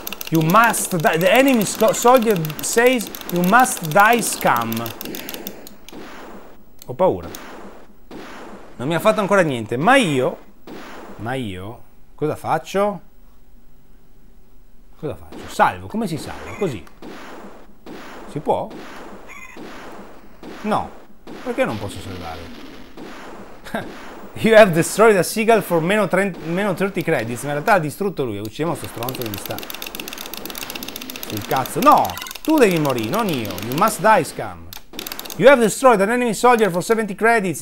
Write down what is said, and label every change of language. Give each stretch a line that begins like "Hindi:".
English: You must die, the enemy soldier says you must die scum.
Italian: Ho paura. Non mi ha fatto ancora niente, ma io cosa faccio? Cosa faccio? Salvo, come si salva? Così. Si può? No. Perché non posso salvare?
English: You have destroyed a seagull for meno 30 credits.
Italian: In realtà ha distrutto lui. Uccidiamo sto stronzo che mi sta sul cazzo. No! Tu devi morire, non io.
English: You must die, scum. You have destroyed an enemy soldier for 70 credits.